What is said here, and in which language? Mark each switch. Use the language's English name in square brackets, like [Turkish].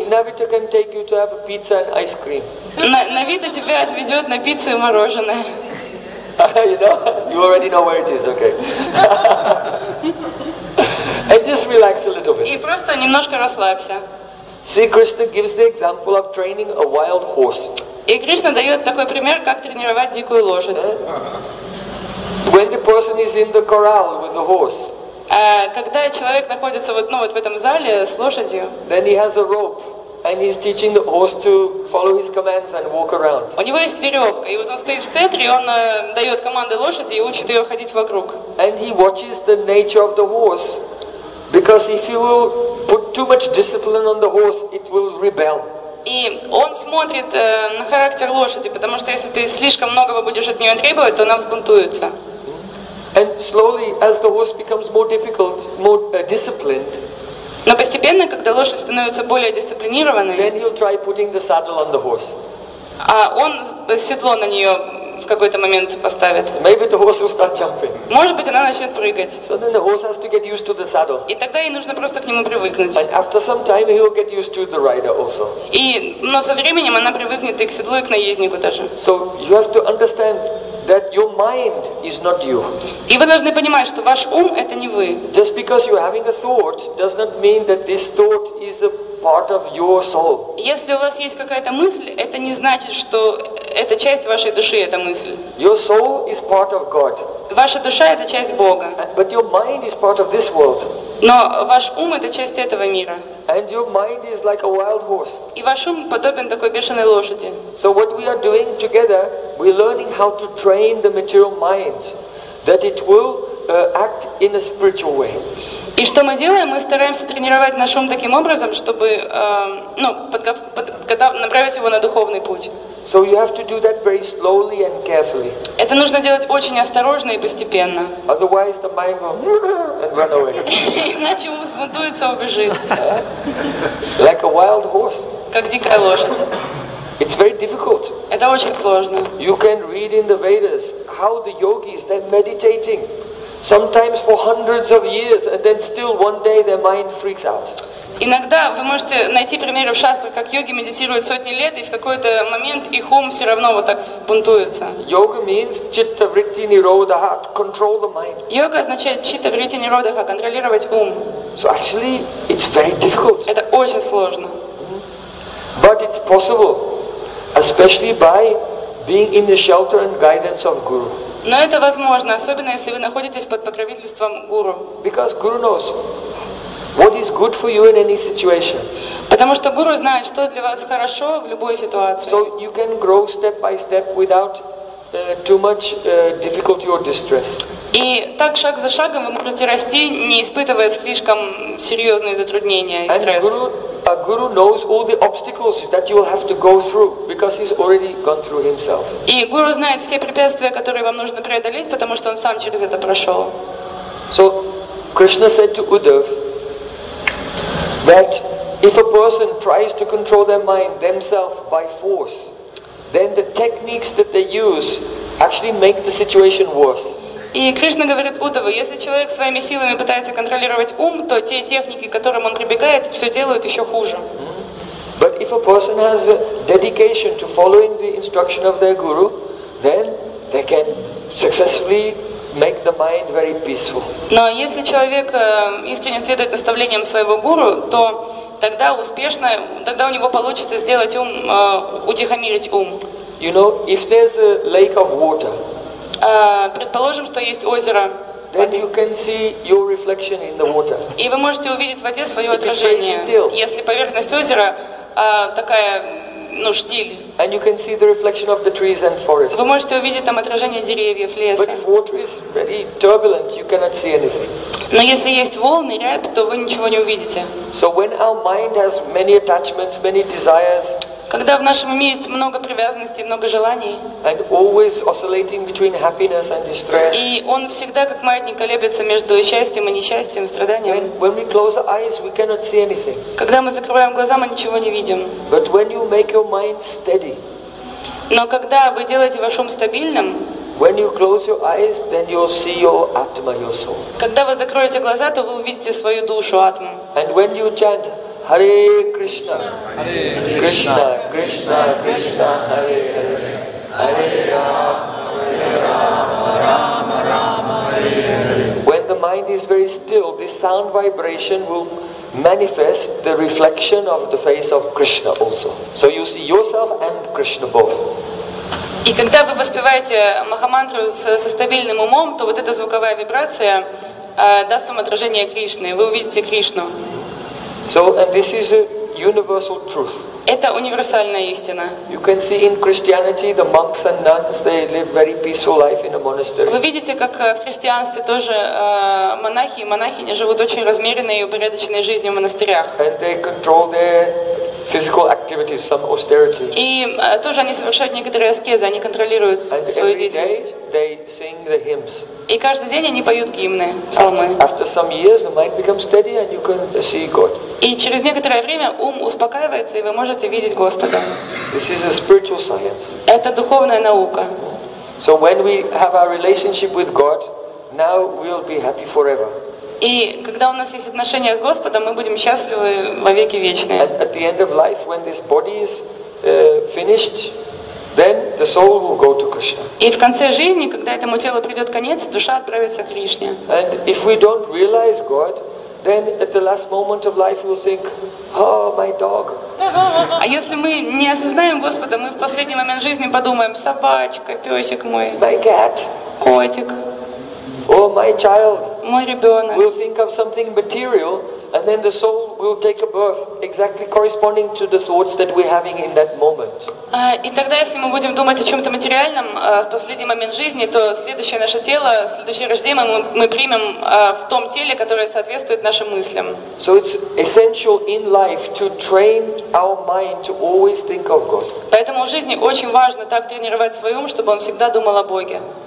[English] Navita can take you to have pizza and ice cream. [Russian] Navita тебя отведет на пиццу и мороженое. [English] You know, you already know where it is, okay? And just relax a little bit. [Russian] И просто немножко расслабься. [English] See, Krishna gives the example of training a wild horse. [Russian] И Кришна дает такой пример, как тренировать дикую лошадь. [English] When the person is in the corral with the horse. [Russian] Когда человек находится в этом зале с лошадью, [English] then he has a rope and he's teaching the horse to follow his commands and walk around. [Russian] У него есть веревка, и вот он стоит в центре, и он дает команды лошади и учит ее ходить вокруг. [English] And he watches the nature of the horse, because if you will put too much discipline on the horse, it will rebel. [Russian] И он смотрит на характер лошади, потому что если ты слишком многого будешь от нее требовать, то она взбунтуется. [English] And slowly, as the horse becomes more difficult, more disciplined. [Russian] Но постепенно, когда лошадь становится более дисциплинированной, [English] then he'll try putting the saddle on the horse. [Russian] А он седло на нее в какой-то момент поставит. [English] Maybe the horse will start jumping. [Russian] Может быть, она начнет прыгать. [English] So then the horse has to get used to the saddle. [Russian] И тогда ей нужно просто к нему привыкнуть. [English] And after some time, he'll get used to the rider also. [Russian] И но со временем она привыкнет и к седлу, и к наезднику даже. [English] So you have to understand that your mind is not you. [Russian] И вы должны понимать, что ваш ум это не вы. [English] Just because you're having a thought does not mean that this thought is a part of your soul. [Russian] Если у вас есть какая-то мысль, это не значит, что это часть вашей души, эта мысль. [English] Your soul is part of God. [Russian] Ваша душа это часть Бога. [English] But your mind is part of this world. [Russian] Но ваш ум это часть этого мира. [English] And your mind is like a wild horse. [Russian] И ваш ум подобен такой бешеной лошади. [English] So what we are doing together, we're learning how to train the material mind that it will act in a spiritual way. [Russian] И что мы делаем? Мы стараемся тренировать наш ум таким образом, чтобы направить его на духовный путь. [English] So you have to do that very slowly and carefully. [Russian] Это нужно делать очень осторожно и постепенно. [English] Otherwise the mind will run away. [Russian] Иначе ум взбунтуется и убежит. [English] Like a wild horse. [Russian] Как дикая лошадь. [English] It's very difficult. [Russian] Это очень сложно. [English] You can read in the Vedas how the yogis they're meditating sometimes for hundreds of years and then still one day their mind freaks out. [Russian] Иногда вы можете найти примеры в шастрах, как йоги медитируют сотни лет и в какой-то момент их ум все равно вот так бунтуется. [English] Yoga means [Sanskrit] chitta vritti nirodha, [English] control the mind. [Russian] Йога означает [Sanskrit] chitta vritti nirodha, [Russian] контролировать ум. [English] So actually it's very difficult. [Russian] Это очень сложно. [English] But it's possible, especially by being in the shelter and guidance of Guru. [Russian] Но это возможно, особенно если вы находитесь под покровительством Гуру. [English] Because Guru knows what is good for you in any situation. [Russian] Потому что Гуру знает, что для вас хорошо в любой ситуации. [English] So you can grow step by step without too much difficulty or distress. [Russian] И так шаг за шагом вы можете расти, не испытывая слишком серьезные затруднения и стресс. [English] A guru knows all the obstacles that you will have to go through because he's already gone through himself. [Russian] И гуру знает все препятствия, которые вам нужно преодолеть, потому что он сам через это прошел. [English] So Krishna said to Uddhav that if a person tries to control their mind themselves by force, then the techniques that they use actually make the situation worse. [Russian] И Кришна говорит Удаву, если человек своими силами пытается контролировать ум, то те техники, к которым он прибегает, все делают еще хуже. [English] But if a person has dedication to following the instruction of their guru, then they can successfully make the mind very peaceful. [Russian] Но если человек искренне следует наставлениям своего гуру, то тогда успешно, тогда у него получится сделать ум, утихомирить ум. [English] You know, if there's a lake of water, [Russian] предположим, что есть озеро. [English] Then you can see your reflection in the water. [Russian] И вы можете увидеть в воде свое отражение, если поверхность озера такая, ну, штиль. [English] And you can see the reflection of the trees and forest. [Russian] Вы можете увидеть там отражение деревьев, леса. [English] But if water is very turbulent, you cannot see anything. [Russian] Но если есть волны, рябь, то вы ничего не увидите. [English] So when our mind has many attachments, many desires. [Russian] Когда в нашем уме есть много привязанностей, много желаний, [English] and always oscillating between happiness and distress, [Russian] и он всегда как маятник колеблется между счастьем и несчастьем, страданием, [English] when we close our eyes, we cannot see anything. [Russian] Когда мы закрываем глаза, мы ничего не видим. [English] But when you make your mind steady, [Russian] но когда вы делаете ваш ум стабильным, [English] when you close your eyes, then you'll see your atma, your soul. [Russian] Когда вы закроете глаза, то вы увидите свою душу, атму. [English] And when you chant, Hare Krishna, Krishna, Krishna, Krishna, Hare Hare, Hare Rama, Hare Rama, Rama Rama, Hare Hare. When the mind is very still, this sound vibration will manifest the reflection of the face of Krishna also. So you see yourself and Krishna both. [Russian] И когда вы воспеваете Махамантру со стабильным умом, то вот эта звуковая вибрация даст вам отражение Кришны, вы увидите Кришну. [English] So, and this is a universal truth. [Russian] Это универсальная истина. [English] You can see in Christianity the monks and nuns, they live very peaceful life in a monastery. [Russian] Вы видите, как в христианстве тоже монахи и монахини живут очень размеренной и упорядоченной жизнью в монастырях. [English] And they control their physical activities, some austerity. [Russian] И тоже они совершают некоторые аскезы, они контролируют свою деятельность. [English] And every day they sing the hymns. [Russian] И каждый день они поют гимны, псалмы. [English] After some years, the mind becomes steady, and you can see God. [Russian] И через некоторое время ум успокаивается, и вы можете видеть Господа. [English] This is a spiritual science. [Russian] Это духовная наука. [English] So when we have our relationship with God, now we'll be happy forever. [Russian] И когда у нас есть отношения с Господом, мы будем счастливы во веки вечные. [English] At the end of life, when this body is finished, then the soul will go to Krishna. [Russian] И в конце жизни, когда этому телу придет конец, душа отправится к Кришне. [English] And if we don't realize God, then at the last moment of life we'll think, oh, my dog. [Russian] А если мы не осознаем Господа, мы в последний момент жизни подумаем, собачка, песик мой. [English] My cat. [Russian] Котик. [English] Oh, my child. [Russian] Мой ребенок. [English] We'll think of something material, and then the soul will take a birth exactly corresponding to the thoughts that we're having in that moment. [Russian] И тогда, если мы будем думать о чем-то материальном в последний момент жизни, то следующее наше тело, следующее рождение мы примем в том теле, которое соответствует нашим мыслям. [English] So it's essential in life to train our mind to always think of God. [Russian] Поэтому в жизни очень важно так тренировать свой ум, чтобы он всегда думал о Боге.